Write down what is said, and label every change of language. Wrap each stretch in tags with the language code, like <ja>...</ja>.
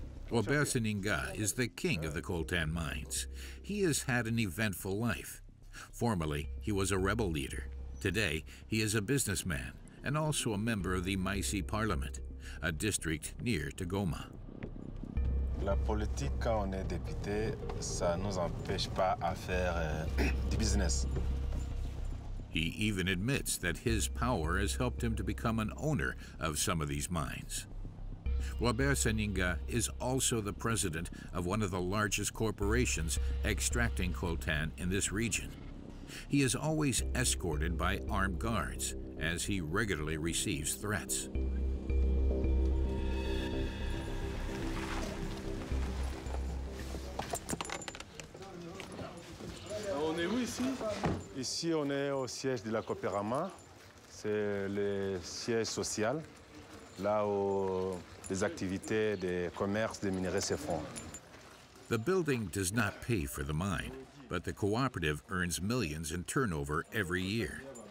<en>Robert Seninga is the king of the coltan mines. He has had an eventful life. Formerly, he was a rebel leader. Today, he is a businessman and also a member of the Maisi Parliament, a district near to Goma.</en> <fr>La politique, quand on est député, ça nous empêche pas à faire du business.</fr> <en>He even admits that his power has helped him to become an owner of some of these mines. Robert Seninga is also the president of one of the largest corporations extracting coltan in this region. He is always escorted by armed guards, as he regularly receives threats.</en> <fr>On est où ici? Ici, on est au siège de la Cooperama. C'est le siège social, là où les activités de commerce des minerais se font.</fr> <en>The building does not pay for the mine, but the cooperative earns millions in turnover every year.</en>